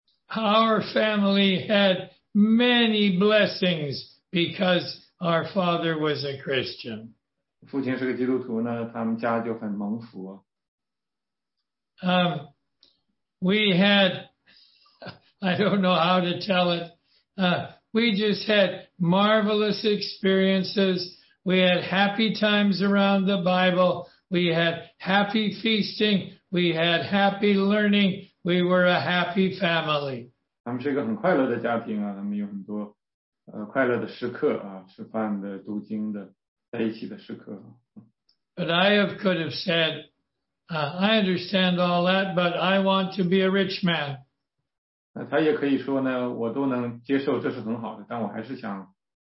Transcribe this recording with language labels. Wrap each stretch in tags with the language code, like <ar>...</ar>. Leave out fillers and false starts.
<en>Our family had many blessings because our father was a Christian.</en> <zh>父亲是个基督徒呢，他们家就很蒙福。</zh> <en>We had, I don't know how to tell it, we just had marvelous experiences. We had happy times around the Bible. We had happy feasting. We had happy learning. We were a happy family.</en> <zh>他们是一个很快乐的家庭啊，他们有很多快乐的时刻啊，吃饭的，读经的，在一起的时刻。</zh> <en>But I have could have said, I understand all that, but I want to be a rich man.</en> <zh>那他也可以说呢，我都能接受，这是很好的，但我还是想。</zh>